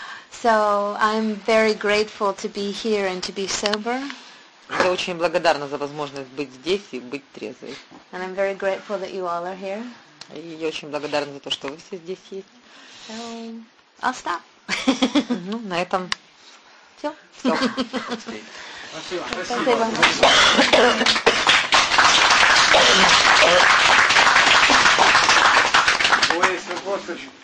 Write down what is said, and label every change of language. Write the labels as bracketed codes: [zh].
[en] So I'm very grateful to be here and to be sober. [ru] Я очень благодарна за возможность быть здесь и быть трезвой. [en] And I'm very grateful that you all are here. [ru] И я очень благодарна за то, что вы все здесь есть. [en] So I'll stop. [ru] Ну, на этом все. Спасибо. Спасибо.